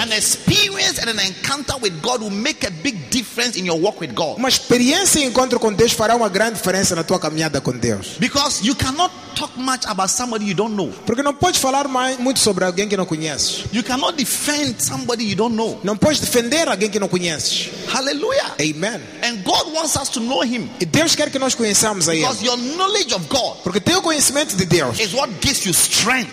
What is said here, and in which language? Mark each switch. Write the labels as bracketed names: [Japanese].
[English] An experience and an encounter with God will make a big difference in your walk with God. [Portuguese] Uma experiência e encontro com Deus fará uma grande diferença na tua caminhada com Deus. [English] Because you cannot talk much about somebody you don't know. [Portuguese] Porque não podes falar muito sobre alguém que não conheces. [English] You cannot defend somebody you don't know. [Portuguese] Não podes defender alguém que não conheces. [English] Hallelujah. [Portuguese] Amen. [English] And God wants us to know him. [Portuguese] E Deus quer que nós conheçamos a ele. [English] Because your knowledge of God. [Portuguese] Porque teu conhecimento de Deus. [English] Is what gives you strength.